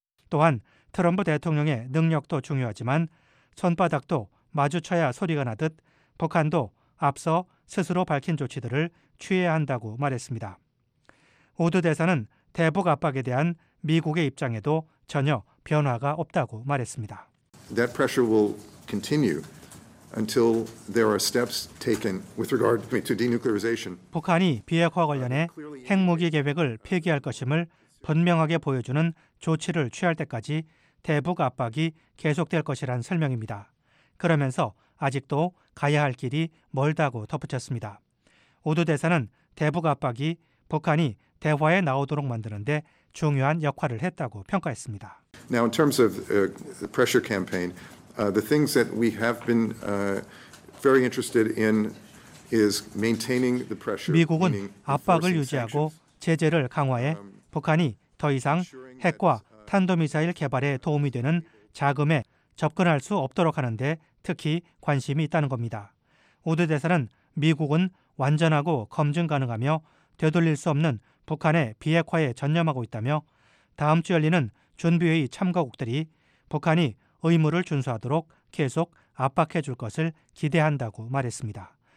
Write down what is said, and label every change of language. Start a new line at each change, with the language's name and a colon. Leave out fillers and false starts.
Korean: 또한 트럼프 대통령의 능력도 중요하지만 손바닥도 마주쳐야 소리가 나듯 북한도 앞서 스스로 밝힌 조치들을 취해야 한다고 말했습니다. 우드 대사는 대북 압박에 대한 미국의 입장에도 전혀 변화가 없다고 말했습니다.
English: That pressure will continue until there are steps taken with regard to denuclearization.
Korean: 북한이 비핵화 관련해 핵무기 계획을 폐기할 것임을 분명하게 보여주는 조치를 취할 때까지 대북 압박이 계속될 것이란 설명입니다. 그러면서 아직도 가야 할 길이 멀다고 덧붙였습니다. 우드 대사는 대북 압박이 북한이 대화에 나오도록 만드는데 중요한 역할을 했다고 평가했습니다.
English: Now in terms of the pressure campaign, the things that we have been very interested in is maintaining the pressure.
Korean: 미국은 압박을 유지하고 제재를 강화해 북한이 더 이상 핵과 탄도미사일 개발에 도움이 되는 자금에 접근할 수 없도록 하는데 특히 관심이 있다는 겁니다. 우드 대사는 미국은 완전하고 검증 가능하며 되돌릴 수 없는 북한의 비핵화에 전념하고 있다며 다음 주 열리는 준비회의 참가국들이 북한이 의무를 준수하도록 계속 압박해 줄 것을 기대한다고 말했습니다.